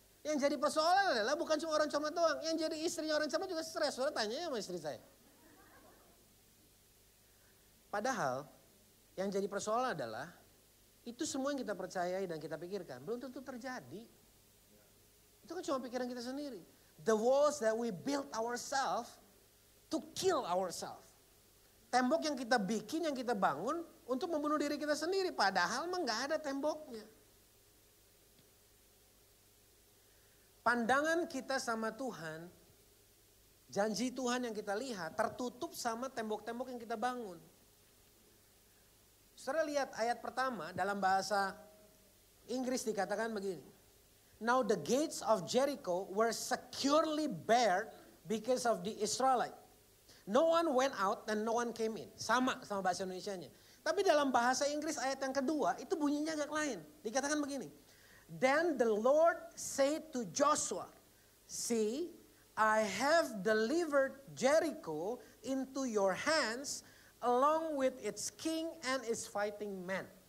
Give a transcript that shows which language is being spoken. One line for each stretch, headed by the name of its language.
Indonesian: Yang jadi persoalan adalah bukan cuma orang cermat doang, yang jadi istrinya orang cermat juga stres. Soalnya tanya sama istri saya. Padahal yang jadi persoalan adalah itu semua yang kita percayai dan kita pikirkan belum tentu terjadi. Itu kan cuma pikiran kita sendiri.
English: The walls that we build ourselves to kill ourselves.
Indonesian: Tembok yang kita bikin, yang kita bangun untuk membunuh diri kita sendiri. Padahal mah gak ada temboknya. Pandangan kita sama Tuhan, janji Tuhan yang kita lihat tertutup sama tembok-tembok yang kita bangun. Saudara lihat ayat pertama dalam bahasa Inggris dikatakan begini.
English: Now the gates of Jericho were securely barred because of the Israelites. No one went out and no one came in.
Indonesian: Sama bahasa Indonesianya. Tapi dalam bahasa Inggris ayat yang kedua itu bunyinya agak lain. Dikatakan begini.
English: Then the Lord said to Joshua, "See, I have delivered Jericho into your hands along with its king and its fighting men."